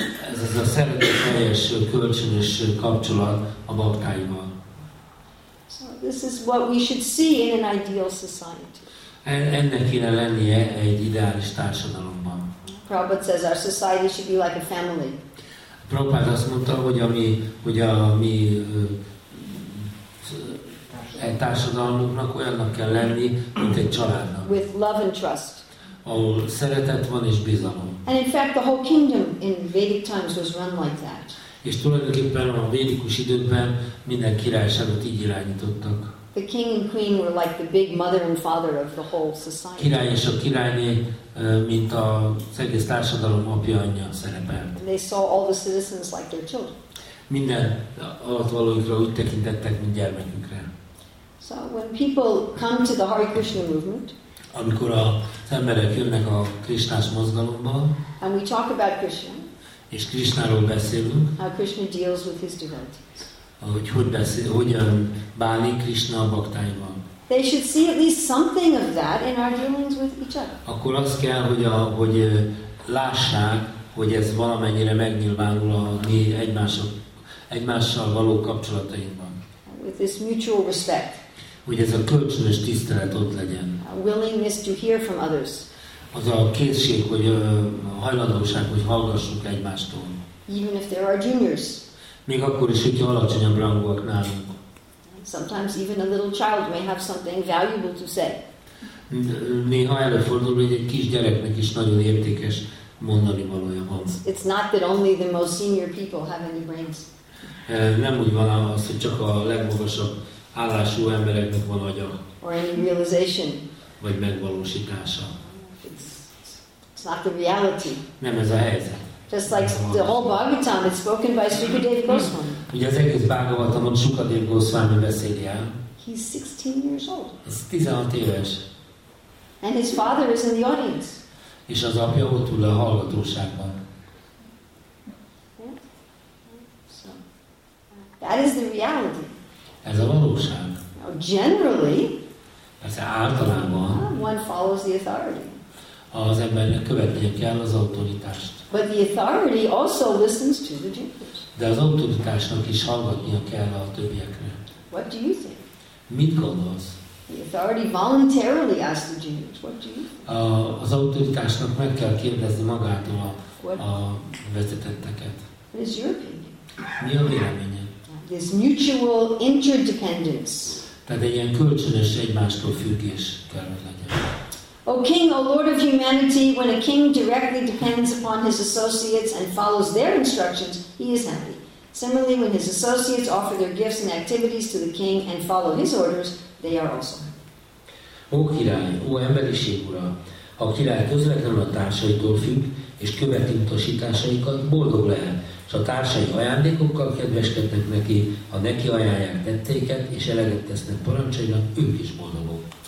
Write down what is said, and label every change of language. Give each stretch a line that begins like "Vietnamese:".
Hungarian: ez a szeretetteljes kölcsönös kapcsolat a baktáival.
English: So this is what we should see in an ideal society.
Hungarian: Ennek kéne lennie egy ideális társadalomban.
English: Prabhupada says our society should be like a family.
Hungarian: Prabhupada azt mondta, hogy a mi egy társadalmunknak olyannak kell lenni, mint egy családnak.
English: With love and trust.
Hungarian: Ahol szeretet van és bizalom.
English: And in fact, the whole kingdom in Vedic times was run like that.
Hungarian: És tulajdonképpen a védikus időkben minden királyságot így irányítottak.
English: The king and queen were like the big mother and father of the whole society.
Hungarian: Király és a királyné, mint az egész társadalom apja anyja szerepelt.
English: They saw all the citizens like their children.
Hungarian: Minden alattvalóikra úgy tekintettek, mint gyermekükre.
English: So when people come to the Hare Krishna movement,
Hungarian: amikor az emberek jönnek a Krisnás mozgalomba,
English: and we talk about Krishna,
Hungarian: és Krisnáról beszélünk,
English: how Krishna deals with his devotees,
Hungarian: hogyan bánik Krishna a baktáival,
English: they should see at least something of that in our dealings with each other.
Hungarian: Akkor azt kell, hogy lássák, hogy ez valamennyire megnyilvánul a mi egymással való kapcsolatainkban.
English: With this mutual respect.
Hungarian: Hogy ez a kölcsönös tisztelet ott legyen.
English: A willingness to hear from others.
Hungarian: Az a készség, hogy hajlandóság, hogy hallgassuk egymástól.
English: Even if there are juniors.
Hungarian: Még akkor is, hogyha alacsonyabb rangúak nálunk.
English: Sometimes even a little child may have something valuable to say.
Hungarian: Néha előfordul, hogy egy kis gyereknek is nagyon értékes mondani valója van.
English: It's not that only the most senior people have any brains.
Hungarian: Nem úgy van az, hogy csak a legmagasabb állású embereknek van agya.
English: Or any realization.
Hungarian: Vagy megvalósítása.
English: It's not the reality.
Hungarian: Nem ez a helyzet.
English: Just like the whole Bhagavatam, it's spoken by Sukadeva Goswami.
Hungarian: Ugye az egész Bhagavatamot Sukadeva Goswami beszéli el.
English: He's 16 years old.
Hungarian: Ez 16 éves.
English: And his father is in the audience.
Hungarian: És az apja ott ül a hallgatóságban.
English: That is the reality.
Hungarian: Ez a valóság.
English: Now, generally,
Hungarian: persze általában,
English: one follows the authority.
Hungarian: Az embernek követnie kell az autoritást.
English: But the authority also listens to the teachers.
Hungarian: De az autoritásnak is hallgatnia kell a többieknek.
English: What do you think?
Hungarian: Mit gondolsz?
English: The authority voluntarily asks the juniors, "What do you think?"
Hungarian: Az autoritásnak meg kell kérdezni magától a vezetetteket.
English: What is your opinion?
Hungarian: Mi a véleménye?
English: This mutual interdependence.
Hungarian: Tehát egy ilyen kölcsönös egymástól függés kell legyen.
English: O King, O Lord of humanity, when a king directly depends upon his associates and follows their instructions, he is happy. Similarly, when his associates offer their gifts and activities to the king and follow his orders, they are also.
Hungarian: Ó király, ó emberiség ura, ha a király közvetlenül a társaitól függ, és követi utasításaikat, boldog lehet, s a társai ajándékokkal kedveskednek neki, ha neki ajánlják tetteiket, és eleget tesznek parancsainak, ők is boldogok.